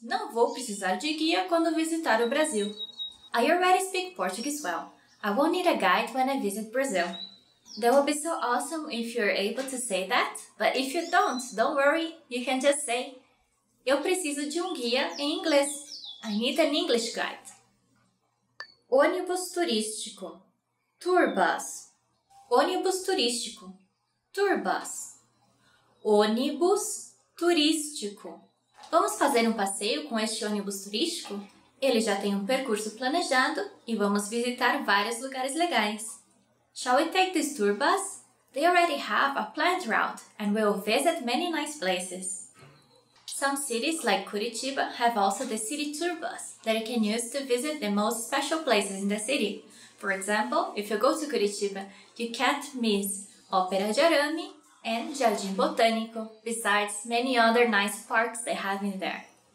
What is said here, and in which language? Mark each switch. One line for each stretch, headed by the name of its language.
Portuguese: Não vou precisar de guia quando visitar o Brasil.
English: I already speak Portuguese well. I won't need a guide when I visit Brazil. That would be so awesome if you're able to say that. But if you don't worry. You can just say,
Portuguese: eu preciso de um guia em inglês.
English: I need an English guide. Ônibus turístico. Tour bus.
Portuguese: Ônibus turístico. Tour bus. Ônibus turístico. Vamos fazer um passeio com este ônibus turístico? Ele já tem um percurso planejado e vamos visitar vários lugares legais.
English: Shall we take this tour bus? They already have a planned route and we'll visit many nice places. Some cities like Curitiba have also the city tour bus that you can use to visit the most special places in the city. For example, if you go to Curitiba, you can't miss Ópera de Arame and Jardim Botânico, besides many other nice parks they have in there.